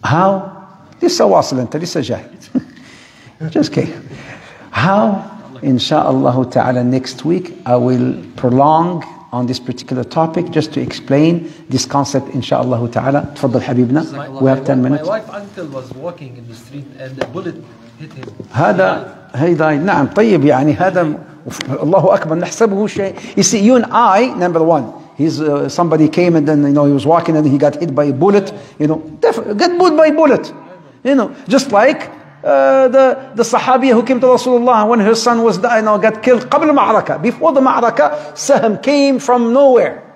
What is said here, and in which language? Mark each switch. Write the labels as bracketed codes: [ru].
[en] How? [ar] Lisa wasil anta, lisa jahil. [en] Just kidding. How? Insha'Allah ta'ala, next week I will prolong on this particular topic just to explain this concept, insha'Allah ta'ala. [ar] Tafadhal Habibna, [en] we have 10 minutes. My wife uncle was walking in the street and a bullet hit him. [ar] هذا نعم طيب يعني هذا الله أكبر نحسبه شيء. [en] You see, you and I, number one, somebody came and then, you know, he was walking and he got hit by a bullet. You know, get bullet by bullet. You know, just like the Sahabiya who came to Rasulullah when her son was dying, you know, or got killed [ar] قبل معركة, [en] before the معركة, Sahm came from nowhere.